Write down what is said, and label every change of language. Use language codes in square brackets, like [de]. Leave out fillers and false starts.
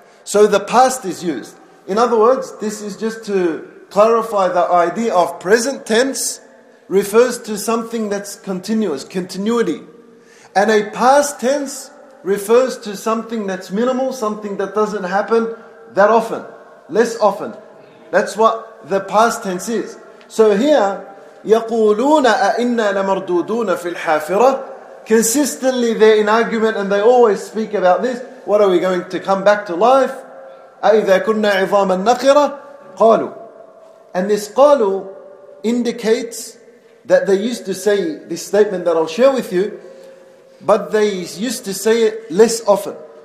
[en] So the past is used. In other words, this is just to clarify the idea of present tense refers to something that's continuous, continuity. And a past tense refers to something that's minimal, something that doesn't happen that often, less often. That's what the past tense is. So here, [ar] يَقُولُونَ أَإِنَّا لَمَرْدُودُونَ فِي الْحَافِرَةِ. [en] Consistently they're in argument and they always speak about this. What are we going to come back to life? [ar] أَإِذَا كُنَّا عِظَامًا نَخِرَةً قَالُوا. [en] And this قَالُوا indicates that they used to say this statement that I'll share with you, but they used to say it less often.